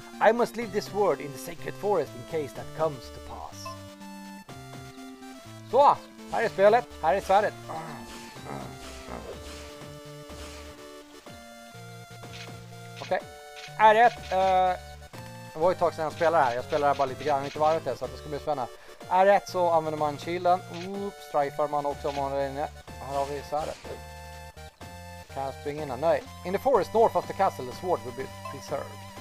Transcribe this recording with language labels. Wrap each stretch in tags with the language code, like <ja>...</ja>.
<en>I must leave this word in the sacred forest in case that comes to pass.</en> <sv>Så, här är spelet, här är svärdet. Okej, okay. R1. Det var ju ett tag sedan jag spelade här. Jag spelar här bara lite grann, inte varvet än, så att det ska bli spännande. R1 så använder man shielden. Oops, strifar man också om man är inne. Här har vi svärdet. Kan jag springa innan? Nej.</sv> <en>In the forest north of the castle, the sword will be preserved.</en>